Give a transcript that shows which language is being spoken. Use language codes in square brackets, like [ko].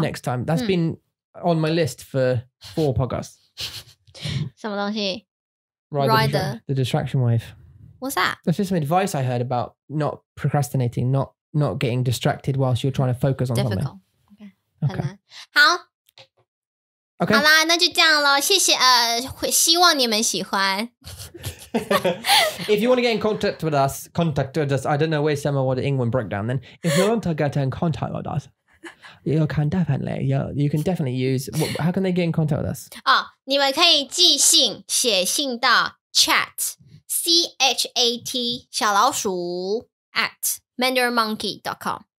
[en] Next time. That's been on my list for 4 podcasts. [zh] 什么东西? [en] Ride the Distraction Wave. What's that? That's just some advice I heard about not procrastinating, not getting distracted whilst you're trying to focus on something. Difficult. Okay. Okay. [zh] 好。 [en] Okay. [zh] 好啦，那就这样咯，谢谢，希望你们喜欢。 [en] If you want to get in contact with us, I don't know where some of the English breakdown then. If you want to get in contact with us, you can definitely use, how can they get in contact with us? [zh] 哦，你们可以寄信，写信到 chat, chat, 小老鼠, at mandarinmonkey.com.